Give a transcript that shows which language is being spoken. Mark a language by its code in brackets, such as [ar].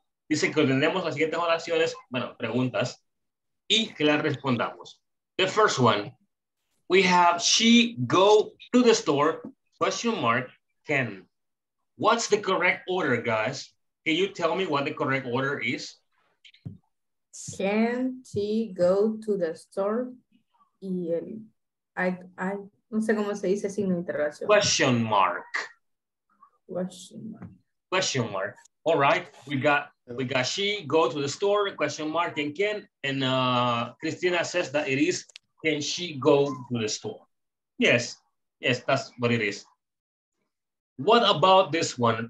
[es] Dice que tenemos las siguientes oraciones, bueno, preguntas, y que las respondamos. [en] The first one, we have she go to the store, question mark, can. What's the correct order, guys? Can you tell me what the correct order is? Can she go to the store? [es] Y el, I no sé cómo se dice signo de interrogación. [en] Question mark. Question mark. Question mark. All right, we got she go to the store, question mark, and can, and Christina says that it is, can she go to the store? Yes, yes, that's what it is. What about this one?